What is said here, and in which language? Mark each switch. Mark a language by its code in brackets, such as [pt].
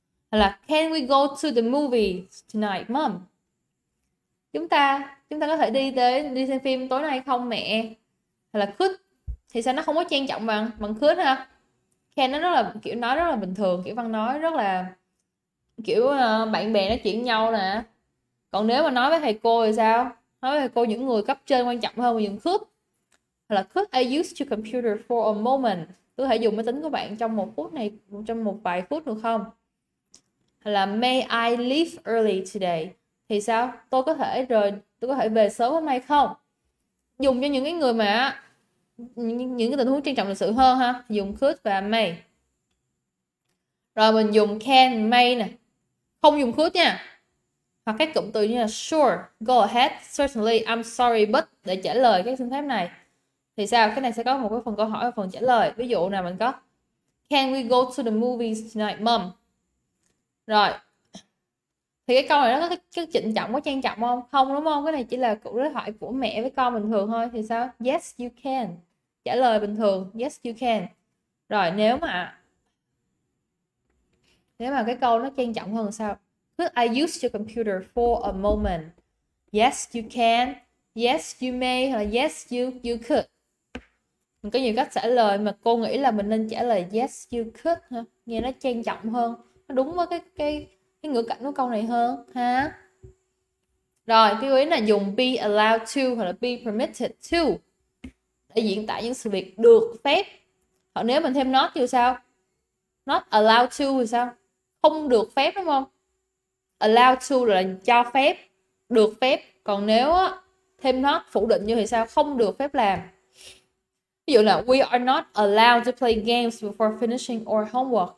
[vi] Hoặc là [en] can we go to the movie tonight, mom? [vi] Chúng ta có thể đi xem phim tối nay không mẹ? Hoặc là could thì sao nó không có trang trọng bằng bằng could ha? Can nó rất là kiểu nói rất là bình thường, kiểu văn nói rất là kiểu bạn bè nói chuyện nhau nè. Còn nếu mà nói với thầy cô thì sao? Nói với thầy cô những người cấp trên quan trọng hơn mà dùng could. [en] Hoặc là could I use your computer for a moment? [vi] Tôi có thể dùng máy tính của bạn trong một phút này, trong một vài phút được không? Hoặc là [en] may I leave early today? [vi] Thì sao? Tôi có thể về sớm hôm nay không? Dùng cho những cái người mà những cái tình huống trang trọng lịch sự hơn ha, dùng could và may. Rồi mình dùng can, may nè. Không dùng could nha. Hoặc các cụm từ như là [en] sure, go ahead, certainly, I'm sorry, but [vi] để trả lời cái xin phép này. Thì sao? Cái này sẽ có một cái phần câu hỏi và phần trả lời. Ví dụ nào mình có [en] Can we go to the movies tonight, mom? [vi] Rồi. Thì cái câu này nó có cái trịnh trọng, có trang trọng không? Không đúng không? Cái này chỉ là cuộc đối thoại của mẹ với con bình thường thôi. Thì sao? [en] Yes, you can. [vi] Trả lời bình thường. Yes, you can. Rồi, nếu mà cái câu nó trang trọng hơn sao? [en] Could I use your computer for a moment? Yes, you can. Yes, you may. [vi] Hoặc là [en] yes, you could. [vi] Mình có nhiều cách trả lời mà cô nghĩ là mình nên trả lời [en] yes, you could. [vi] Nghe nó trang trọng hơn. Nó đúng với cái ngữ cảnh của câu này hơn ha. Rồi, lưu ý là dùng be allowed to hoặc là be permitted to để diễn tả những sự việc được phép. Hoặc nếu mình thêm not thì sao? Not allowed to thì sao? Không được phép đúng không? Allowed to là cho phép, được phép. Còn nếu thêm not phủ định như thì sao? Không được phép làm. Ví dụ là [en] we are not allowed to play games before finishing our homework.